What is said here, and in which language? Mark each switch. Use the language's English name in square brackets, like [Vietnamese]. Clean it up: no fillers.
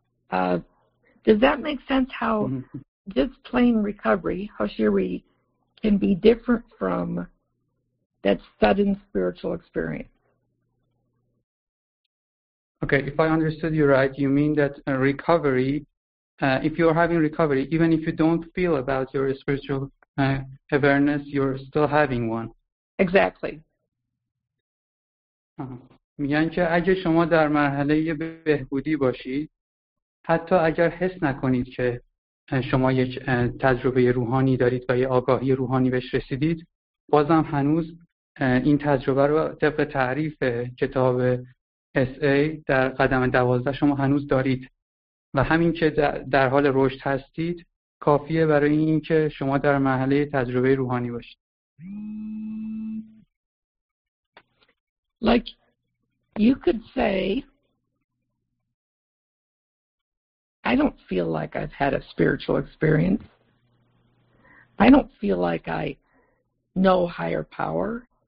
[English] Does that make sense how... Mm-hmm. Just plain recovery, Hashiri, can be different from that sudden spiritual experience. Okay, if I understood you right, you mean that recovery, if you're having recovery, even if you don't feel about your spiritual awareness, you're still having one. Exactly. [Persian] میگن که اگه شما در مرحله بهبودی باشید، حتی اگر حس نکنید که شما یک تجربه روحانی دارید و یه آگاهی روحانی بهش رسیدید، بازم هنوز این تجربه رو طبق تعریف کتاب SA در قدم 12 شما هنوز دارید و همین که در حال رشد هستید کافیه برای این که شما در مرحله تجربه روحانی باشید. [English] Like you could say I don't feel like I've had a spiritual experience. I don't feel like I know higher power.